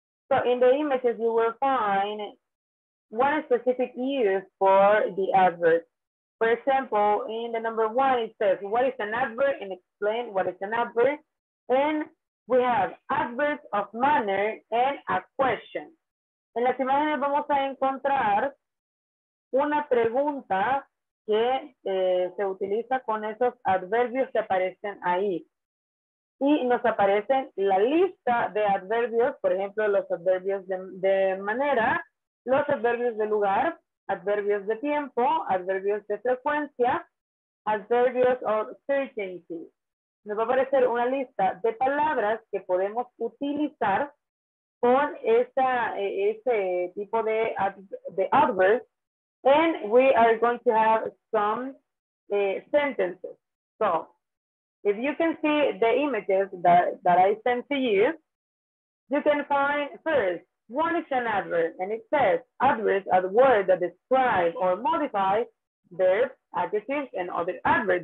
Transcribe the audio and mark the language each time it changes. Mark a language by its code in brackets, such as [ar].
[en] So in the images, you will find one specific use for the adverb. For example, in the number one, it says, what is an adverb? And explain what is an adverb. And we have adverbs of manner and a question. [es] En las imágenes vamos a encontrar una pregunta que se utiliza con esos adverbios que aparecen ahí. Y nos aparecen la lista de adverbios, por ejemplo, los adverbios de manera, los adverbios de lugar, adverbios de tiempo, adverbios de frecuencia, adverbios [en] of certainty. [es] Nos va a aparecer una lista de palabras que podemos utilizar con ese tipo de adverbs [en] And we are going to have some sentences. So if you can see the images that I sent to you, you can find first, one is an adverb, and it says, adverbs are the words that describe or modify verbs, adjectives, and other adverbs.